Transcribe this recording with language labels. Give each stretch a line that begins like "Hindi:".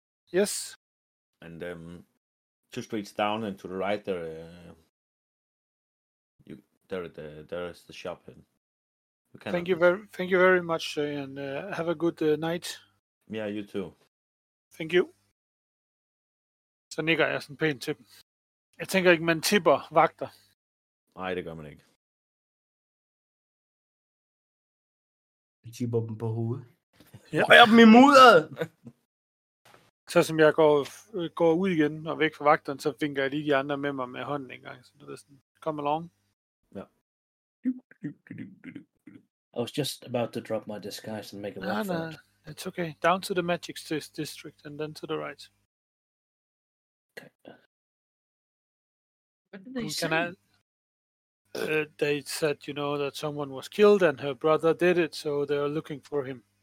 English: Yes. And two streets down and to the right, there is the shop. Thank you very much, Shay, and have a good night. Yeah, you too. Thank you.
Danish: Så nikker jeg sådan pænt til dem. Jeg tænker ikke, man tipper vagter. Nej, det gør man ikke. Jeg tipper dem på hovedet. Ja. Røger dem i mudderet! Så som jeg går ud igen og væk fra vagteren, så vinker jeg lige de andre med mig med hånden en gang. Så det er sådan,
English: come along.
Danish: Ja.
English: I was just about to drop my disguise and make a walk for it. It's okay. Down to the Magic District and then to the right. What did they say? They said, you know, that someone was killed and her brother did it, so they're looking for him.